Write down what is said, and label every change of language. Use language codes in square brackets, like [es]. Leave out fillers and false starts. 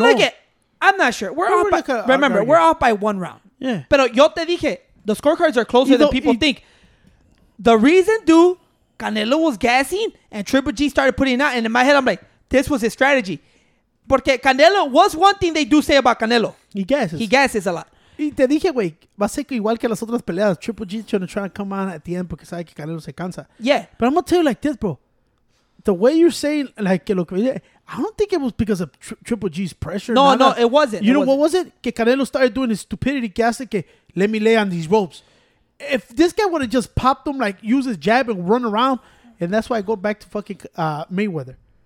[en] Well, look, I'm not sure. We're off by one round. Yeah. [es] Pero yo te dije, [en] the scorecards are closer than people think. The reason, dude, Canelo was gassing and Triple G started putting it out. And in my head, I'm like, this was his strategy. [es] Porque Canelo, [en] what's one thing they do say about Canelo? He gasses a lot. [es] Y te dije, güey, va a ser igual que las otras peleas. [en] Triple G trying to come on at the end [es] porque sabe que Canelo se cansa. [en] Yeah. But I'm going to tell you like this, bro. The way you're saying, like, [es] que lo que... [en] I don't think it was because of Triple G's pressure. No, it wasn't. You know what was it? Que Canelo started doing his stupidity gas, que let me lay on these ropes. If this guy would have just popped him, like, use his jab and run around, and that's why I go back to fucking Mayweather.